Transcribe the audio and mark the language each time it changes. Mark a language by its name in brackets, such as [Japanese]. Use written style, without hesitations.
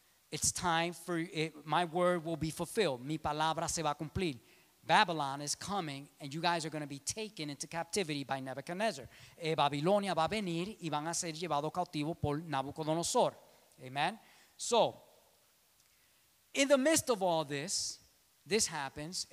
[English] It's time for, it, my word will be fulfilled. [Spanish] Mi palabra se va a cumplir. [English] Babylon is coming, and you guys are going to be taken into captivity by Nebuchadnezzar. [Spanish] Babilonia va a venir, y van a ser llevados cautivos por Nabucodonosor. Amen. [English] So, in the midst of all this, this happens.